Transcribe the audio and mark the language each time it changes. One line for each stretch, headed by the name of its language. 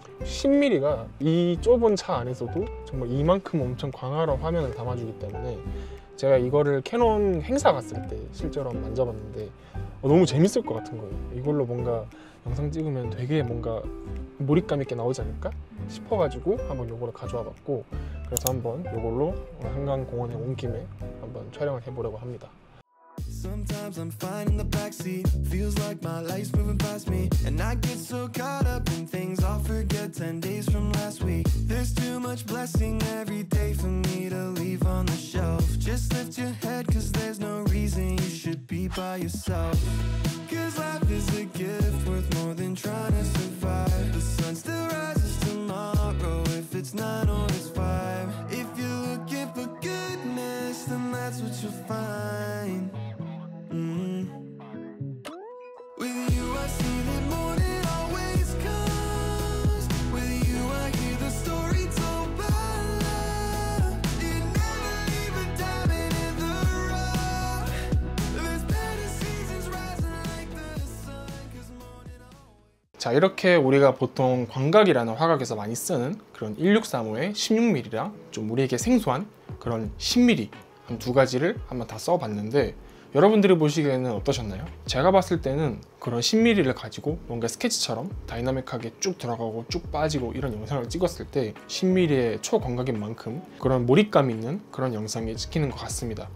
Korean: 10mm가 이 좁은 차 안에서도 정말 이만큼 엄청 광활한 화면을 담아주기 때문에 제가 이거를 캐논 행사 갔을 때 실제로 한번 만져봤는데 너무 재밌을 것 같은 거예요. 이걸로 뭔가 영상 찍으면 되게 뭔가 몰입감 있게 나오지 않을까 싶어가지고 한번 이거를 가져와 봤고, 그래서 한번 이걸로 한강공원에 온 김에 한번 촬영을 해보려고 합니다.
English: Sometimes I'm fine in the backseat. Feels like my life's moving past me. And I get so caught up in things I forget 10 days from last week. There's too much blessing every day for me to leave on the shelf. Just lift your head cause there's no reason you should be by yourself. Cause life is a gift worth more than trying to survive. The sun still rises tomorrow if it's 9 or it's 5. If you're looking for goodness then that's what you'll find. With you I see the morning always comes. With you I hear the story told by love. You never leave a diamond in the rough. There's better seasons rising like the sun. Cause morning always.
Korean: 자, 이렇게 우리가 보통 광각이라는 화각에서 많이 쓰는 그런 1635의 16mm랑 좀 우리에게 생소한 그런 10mm 한 두 가지를 한번 다 써봤는데, 여러분들이 보시기에는 어떠셨나요? 제가 봤을 때는 그런 10mm를 가지고 뭔가 스케치처럼 다이나믹하게 쭉 들어가고 쭉 빠지고 이런 영상을 찍었을 때 10mm의 초광각인 만큼 그런 몰입감 있는 그런 영상이 찍히는 것 같습니다.